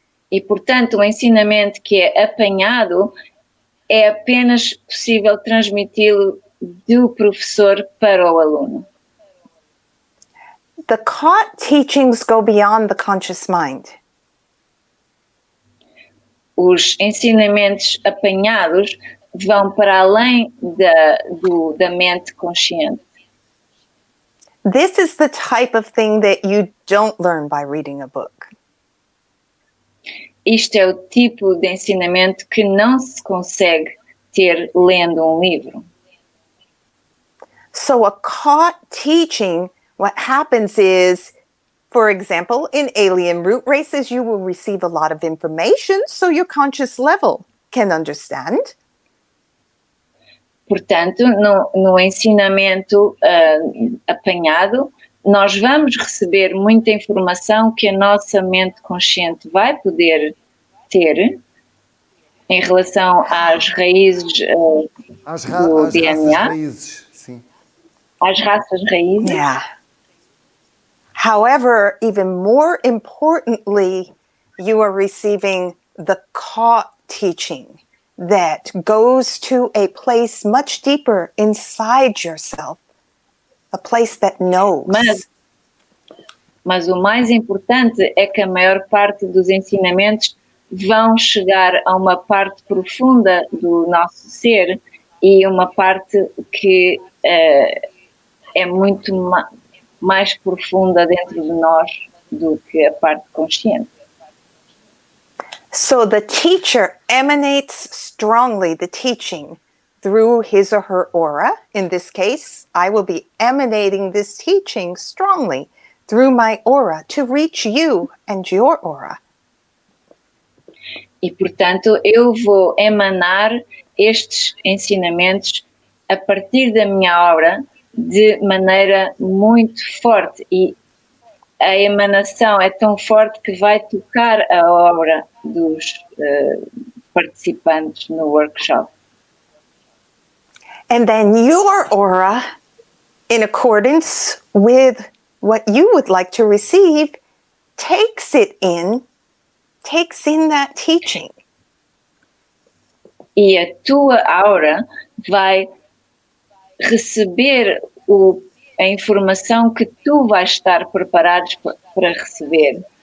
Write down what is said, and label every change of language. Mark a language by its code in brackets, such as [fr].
[pt] E, portanto, o ensinamento que é apanhado é apenas possível transmiti-lo do professor para o aluno. [en] The caught teachings go beyond the conscious mind. [pt] Os ensinamentos apanhados vão para além da mente consciente. [en] This is the type of thing that you don't learn by reading a book. [pt] Isto é o tipo de ensinamento que não se consegue ter lendo um livro. [en] So a caught teaching, what happens is, for example, in alien root races, you will receive a lot of information so your conscious level can understand. [pt] Portanto, no ensinamento apanhado, nós vamos receber muita informação que a nossa mente consciente vai poder ter em relação às raízes do DNA. Às raças raízes, sim. Às raças raízes. [en] Yeah. However, even more importantly, you are receiving the caught teaching that goes to a place much deeper inside yourself, a place that knows. [pt] Mas o mais importante é que a maior parte dos ensinamentos vão chegar a uma parte profunda do nosso ser e uma parte que é muito mais profunda dentro de nós do que a parte consciente. [en] So the teacher emanates strongly the teaching through his or her aura. In this case, I will be emanating this teaching strongly through my aura to reach you and your aura. [pt] E, portanto, eu vou emanar estes ensinamentos a partir da minha aura de maneira muito forte. E a emanação é tão forte que vai tocar a aura dos participantes no workshop. [en] And then your aura in accordance with what you would like to receive, takes in that teaching. [pt] E a tua aura vai receber a informação que tu vais estar preparado para receber.